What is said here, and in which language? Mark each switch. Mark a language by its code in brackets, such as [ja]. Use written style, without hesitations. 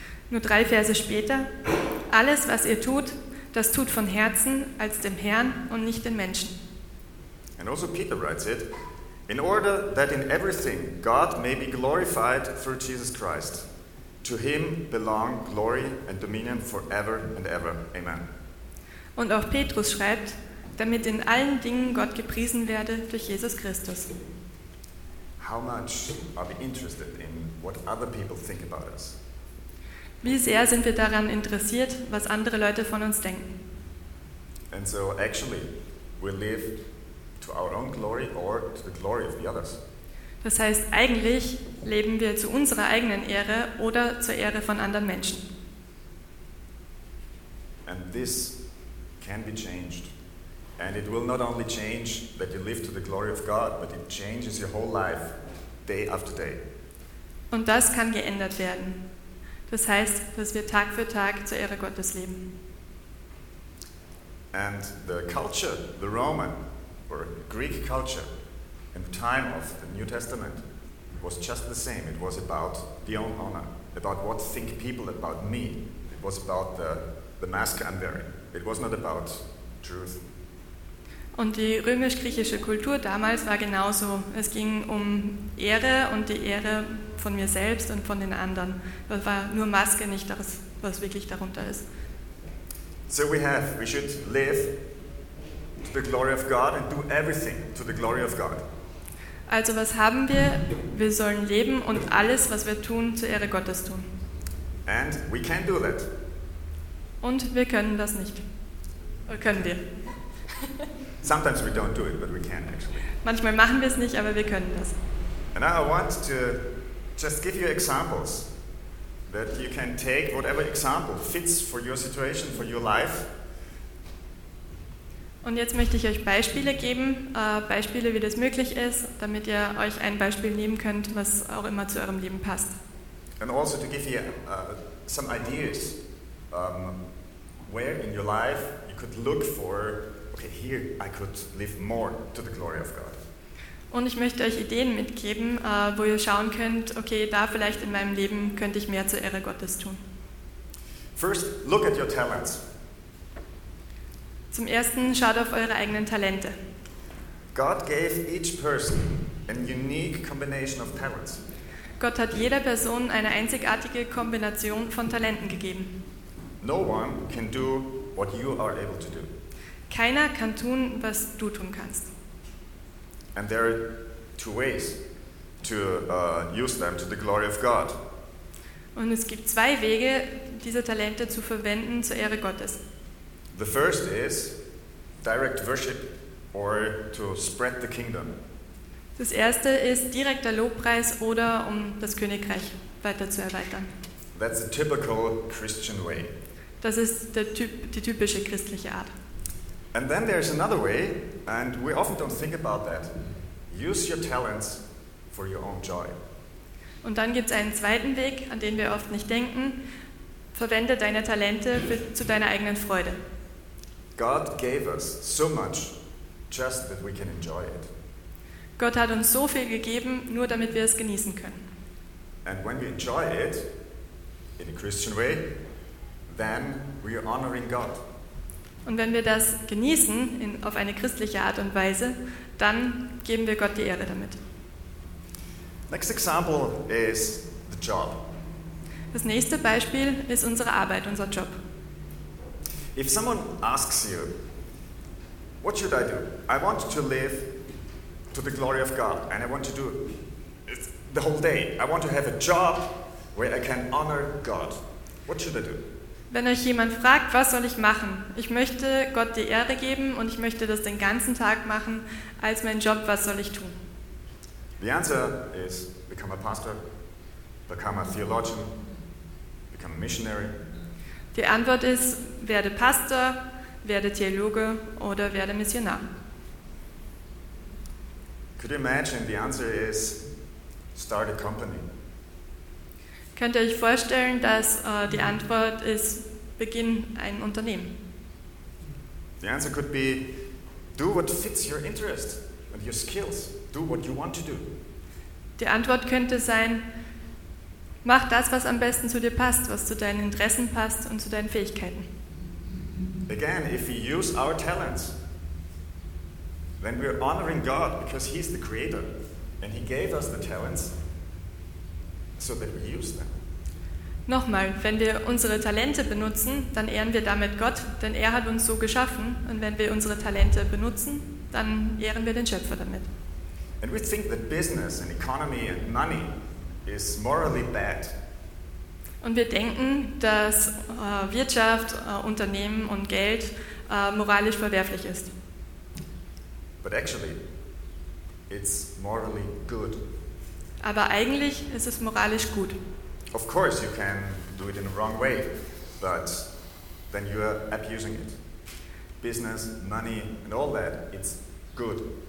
[de] Nur 3 Verse später, alles, was ihr tut, das tut von Herzen als dem Herrn und nicht den Menschen. [en] And also Peter writes it, in order that in everything God may be glorified through Jesus Christ. To him belong glory and dominion forever and ever. Amen. [de] Und auch Petrus schreibt, damit in allen Dingen Gott gepriesen werde durch Jesus Christus. [en] How much are we interested in what other people think about us? [de] Wie sehr sind wir daran interessiert, was andere Leute von uns denken? [en] And so actually we live to our own glory or to the glory of the others. [de] Das heißt, eigentlich leben wir zu unserer eigenen Ehre oder zur Ehre von anderen Menschen. [en] And this can be changed. And it will not only change that you live to the glory of God, but it changes your whole life day after day. [de] Und das kann geändert werden. Das heißt, dass wir Tag für Tag zur Ehre Gottes leben. [en] And the culture, the Roman or Greek culture, in the time of the New Testament, it was just the same. It was about the own honor, about what think people about me. It was about the mask I'm wearing. It was not about truth. [de] Und die römisch-griechische Kultur damals war genauso. Es ging um Ehre und die Ehre von mir selbst und von den anderen. Das war nur Maske, nicht das, was wirklich darunter ist. [en] So we should live to the glory of God and do everything to the glory of God. [de] Also was haben wir? Wir sollen leben und alles, was wir tun, zur Ehre Gottes tun. [en] And we can do that. [de] Und wir können das nicht. Oder können wir? [en] Sometimes we don't do it, but we can actually. [de] Manchmal machen wir es nicht, aber wir können das. [en] And now I want to just give you examples that you can take whatever example fits for your situation, for your life. [de] Und jetzt möchte ich euch Beispiele geben, Beispiele, wie das möglich ist, damit ihr euch ein Beispiel nehmen könnt, was auch immer zu eurem Leben passt. [en] And also to give you some ideas where in your life you could look for, okay, here I could live more to the glory of God. [de] Und ich möchte euch Ideen mitgeben, wo ihr schauen könnt, okay, da vielleicht in meinem Leben könnte ich mehr zur Ehre Gottes tun. [en] First, look at your talents. [de] Zum Ersten, schaut auf eure eigenen Talente. [en] God gave each person a unique combination of talents. [de] Gott hat jeder Person eine einzigartige Kombination von Talenten gegeben. [en] No one can do what you are able to do. [de] Keiner kann tun, was du tun kannst. [en] And there are two ways to use them to the glory of God. [de] Und es gibt zwei Wege, diese Talente zu verwenden zur Ehre Gottes. [en] The first is direct worship or to spread the kingdom. [de] Das erste ist direkter Lobpreis oder um das Königreich weiter zu erweitern. [en] That's a typical Christian way. [de] Das ist die typische christliche Art. [en] And then there's another way, and we often don't think about that. Use your talents for your own joy. [de] Und dann gibt's einen zweiten Weg, an den wir oft nicht denken. Verwende deine Talente zu deiner eigenen Freude. [en] God gave us so much just that we can enjoy it. [de] Gott hat uns so viel gegeben, nur damit wir es genießen können. [en] And when we enjoy it in a Christian way, then we are honoring God. [de] Und wenn wir das genießen, auf eine christliche Art und Weise, dann geben wir Gott die Ehre damit. [en] Next example is the job. [de] Das nächste Beispiel ist unsere Arbeit, unser Job. [en] If someone asks you, what should I do? I want to live to the glory of God and I want to do it the whole day. I want to have a job where I can honor God. What should I do? [de] Wenn euch jemand fragt, was soll ich machen? Ich möchte Gott die Ehre geben und ich möchte das den ganzen Tag machen als mein Job. Was soll ich tun? [en] The answer is become a pastor, become a theologian, become a missionary. [de] Die Antwort ist, werde Pastor, werde Theologe oder werde Missionar. [en] Could you imagine the answer is start a company? [de] Könnt ihr euch vorstellen, dass die Antwort ist, beginn ein Unternehmen? [en] The answer could be, do what fits your interest and your skills. Do what you want to do. [de] Die Antwort könnte sein, mach das, was am besten zu dir passt, was zu deinen Interessen passt und zu deinen Fähigkeiten. [en] Again, if we use our talents, then we're honoring God because he's the creator and he gave us the talents. So that we use them. [de] Nochmal, wenn wir unsere Talente benutzen, dann ehren wir damit Gott, denn er hat uns so geschaffen. Und wenn wir unsere Talente benutzen, dann ehren wir den Schöpfer damit. [en] And we think that business and economy and money is morally bad. [de] Und wir denken, dass Wirtschaft, Unternehmen und Geld moralisch verwerflich ist. [en] But actually, it's morally good. [de] Aber eigentlich ist es moralisch gut. [en] Of course you can do it in the wrong way, but then you are abusing it. Business, money and all that, it's good.